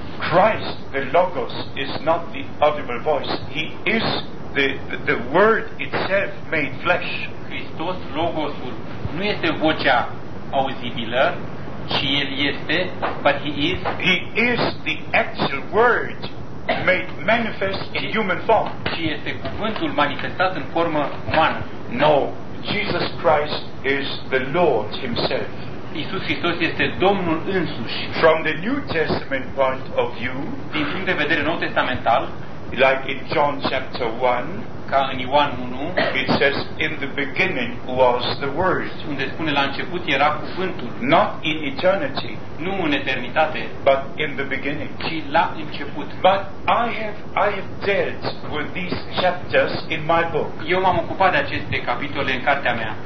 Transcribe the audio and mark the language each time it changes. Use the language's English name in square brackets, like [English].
[English] Christ, the Logos, is not the audible voice. He is the Word itself made flesh. [Romanian] Hristos, Logosul, nu este vocea auzibilă, ci El este, [English] but He is. He is the actual Word made manifest in human form. [Romanian] Ci este cuvântul manifestat în formă umană. [English] No, Jesus Christ is the Lord Himself. [Romanian] Iisus Hristos este Domnul însuși. [English] From the New Testament point of view, [Romanian] din punct de vedere nou testamental, [English] like in John chapter 1, [Romanian] ca în Ioan 1, [English] it says in the beginning was the Word. [Romanian] Unde spune la început era cuvântul. [English] Not in eternity, [Romanian] nu în eternitate, [English] but in the beginning, [Romanian] ci la început. [English] But I have dealt with these chapters in my book. [Romanian] Eu m-am ocupat de aceste capitole în cartea mea.